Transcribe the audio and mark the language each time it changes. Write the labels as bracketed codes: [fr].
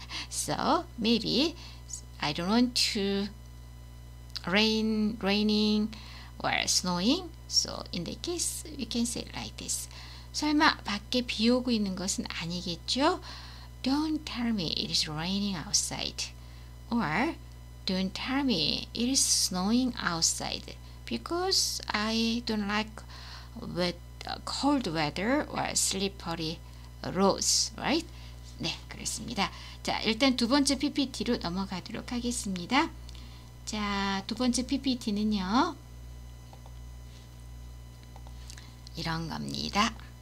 [en] So maybe I don't want to raining or snowing. So in the case, we can say it like this. [ko] 설마 밖에 비 오고 있는 것은 아니겠죠? [en] Don't tell me it is raining outside. Or don't tell me it is snowing outside. Because I don't like cold weather or slippery roads, right? [ko] 네, 그렇습니다. 자, 일단 두 번째 PPT로 넘어가도록 하겠습니다. 자, 두 번째 PPT는요. 이런 겁니다.